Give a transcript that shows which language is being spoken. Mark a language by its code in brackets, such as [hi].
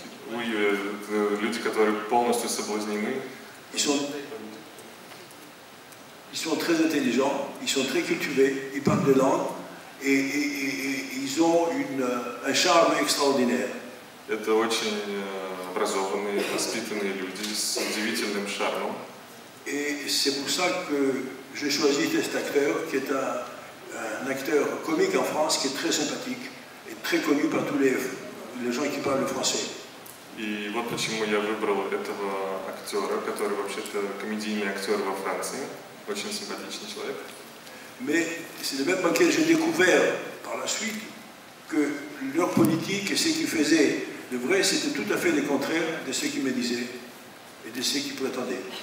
[ru] Люди, которые полностью соблазнены. [fr] Ils sont très intelligents, ils sont très cultivés, ils parlent de langue et ils ont un charme extraordinaire. [ru] Это очень образованные, воспитанные люди с удивительным шармом. [fr] Et c'est pour ça que j'ai choisi cet acteur qui est un acteur comique en France qui est très sympathique et très connu par tous les gens qui parlent français. [ru] И вот почему я выбрал этого актера, который вообще-то комедийный актер во Франции, очень симпатичный человек. [fr] Mais c'est le même banquier que j'ai découvert par la suite que leur politique et ce qu'ils faisaient de vrai, c'était tout à fait le contraire de ce qu'ils me disaient et de ce qu'ils prétendaient.